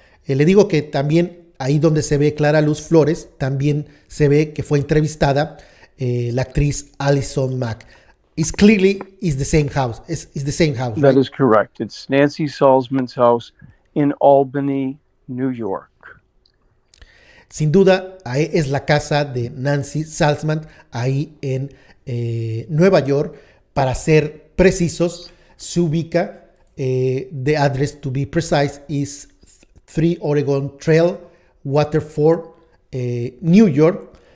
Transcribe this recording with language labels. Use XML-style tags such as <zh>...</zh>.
<es>Le digo que también ahí donde se ve Clara Luz Flores, también se ve que fue entrevistada la actriz Alison Mack.</es> <en>It's clearly is the same house. It's the same house, That right? is correct. It's Nancy Salzman's house in Albany, New York.</en> <es>Sin duda, ahí es la casa de Nancy Salzman, ahí en Nueva York. Para ser precisos, se ubica,</es> <en>the address to be precise is 3 Oregon Trail, Waterford, New York.</en>